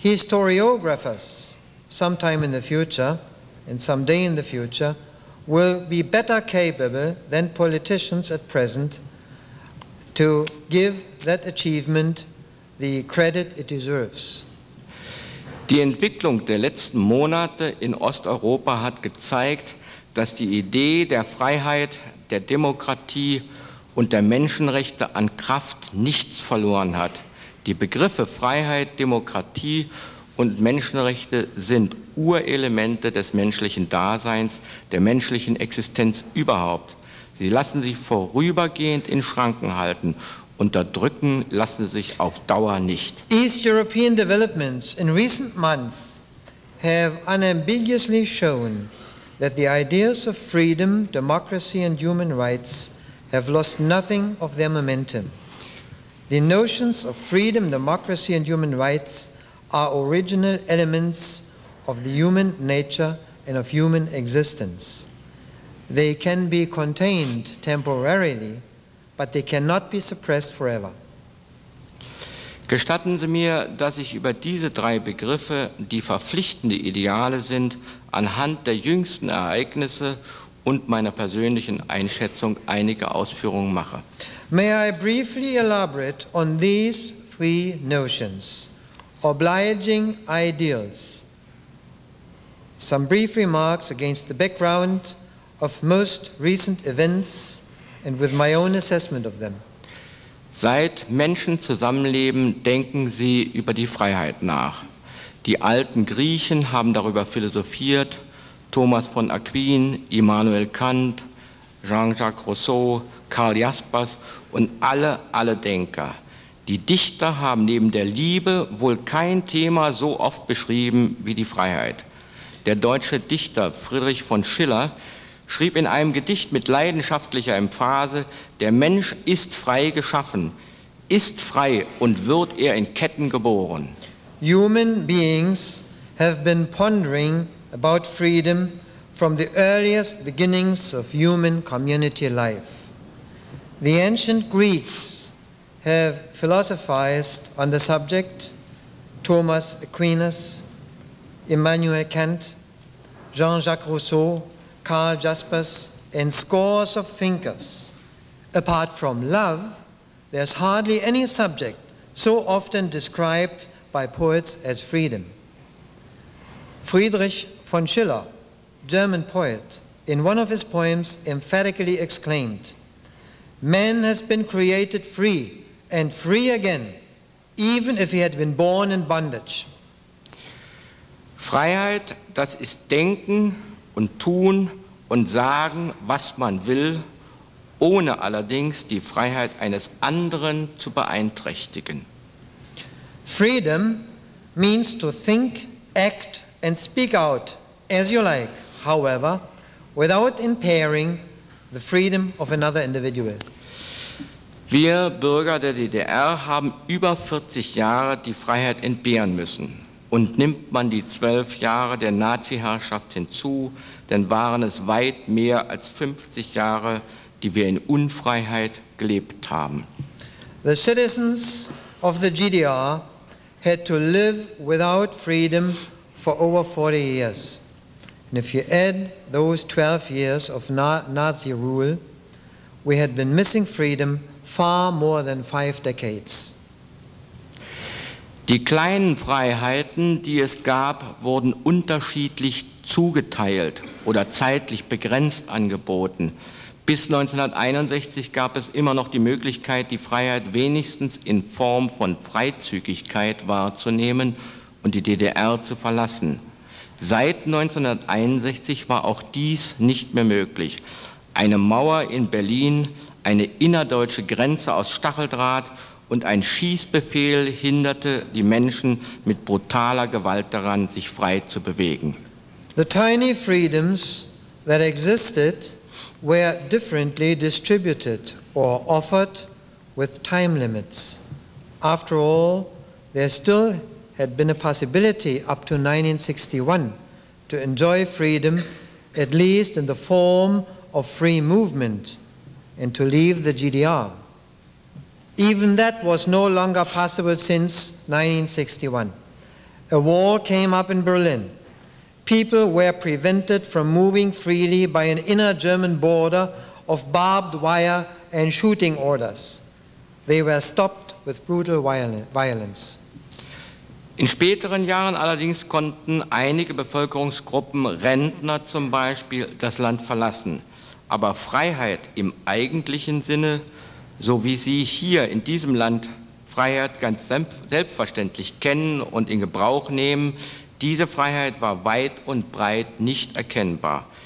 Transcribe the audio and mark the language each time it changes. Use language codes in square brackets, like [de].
[en] Historiographers, sometime in the future, and someday in the future, will be better capable than politicians at present to give that achievement the credit it deserves. [de] Die Entwicklung der letzten Monate in Osteuropa hat gezeigt, dass die Idee der Freiheit, der Demokratie und der Menschenrechte an Kraft nichts verloren hat. Die Begriffe Freiheit, Demokratie und Menschenrechte sind Urelemente des menschlichen Daseins, der menschlichen Existenz überhaupt. Sie lassen sich vorübergehend in Schranken halten. Unterdrücken lassen sich auf Dauer nicht. [en] East European developments in recent months have unambiguously shown that the ideas of freedom, democracy and human rights have lost nothing of their momentum. The notions of freedom, democracy and human rights are original elements of the human nature and of human existence. They can be contained temporarily, but they cannot be suppressed forever. [de] Gestatten Sie mir, dass ich über diese drei Begriffe, die verpflichtende Ideale sind, anhand der jüngsten Ereignisse und meiner persönlichen Einschätzung einige Ausführungen mache. [en] May I briefly elaborate on these three notions? Obliging ideals. Some brief remarks against the background of most recent events and with my own assessment of them. [de] Seit Menschen zusammenleben, denken sie über die Freiheit nach. Die alten Griechen haben darüber philosophiert, Thomas von Aquin, Immanuel Kant, Jean-Jacques Rousseau, Karl Jaspers und alle Denker. Die Dichter haben neben der Liebe wohl kein Thema so oft beschrieben wie die Freiheit. Der deutsche Dichter Friedrich von Schiller schrieb in einem Gedicht mit leidenschaftlicher Emphase: Der Mensch ist frei geschaffen, ist frei und wird er in Ketten geboren. [en] Human beings have been pondering about freedom from the earliest beginnings of human community life. The ancient Greeks have philosophized on the subject, Thomas Aquinas, Immanuel Kant, Jean-Jacques Rousseau, Karl Jaspers, and scores of thinkers. Apart from love, there's hardly any subject so often described by poets as freedom. Friedrich von Schiller, German poet, in one of his poems emphatically exclaimed, "Man has been created free, and free again, even if he had been born in bondage." [de] Freiheit, das ist denken und tun und sagen, was man will, ohne allerdings die Freiheit eines anderen zu beeinträchtigen. [en] Freedom means to think, act and speak out as you like. however, without impairing the freedom of another individual. [de] Wir Bürger der DDR haben über 40 Jahre die Freiheit entbehren müssen. Und nimmt man die 12 Jahre der Nazi-Herrschaft hinzu, dann waren es weit mehr als 50 Jahre, die wir in Unfreiheit gelebt haben. [en] The citizens of the GDR had to live without freedom for over 40 years. And if you add those 12 years of Nazi rule, we had been missing freedom far more than 5 decades. [de] Die kleinen Freiheiten, die es gab, wurden unterschiedlich zugeteilt oder zeitlich begrenzt angeboten. Bis 1961 gab es immer noch die Möglichkeit, die Freiheit wenigstens in Form von Freizügigkeit wahrzunehmen und die DDR zu verlassen. Seit 1961 war auch dies nicht mehr möglich. Eine Mauer in Berlin, eine innerdeutsche Grenze aus Stacheldraht und ein Schießbefehl hinderte die Menschen mit brutaler Gewalt daran, sich frei zu bewegen. [en] The tiny freedoms that existed were differently distributed or offered with time limits. After all, there still had been a possibility up to 1961 to enjoy freedom, at least in the form of free movement, and to leave the GDR. Even that was no longer possible since 1961. A wall came up in Berlin. People were prevented from moving freely by an inner German border of barbed wire and shooting orders. They were stopped with brutal violence. [de] In späteren Jahren allerdings konnten einige Bevölkerungsgruppen, Rentner zum Beispiel, das Land verlassen. Aber Freiheit im eigentlichen Sinne, so wie Sie hier in diesem Land Freiheit ganz selbstverständlich kennen und in Gebrauch nehmen, diese Freiheit war weit und breit nicht erkennbar.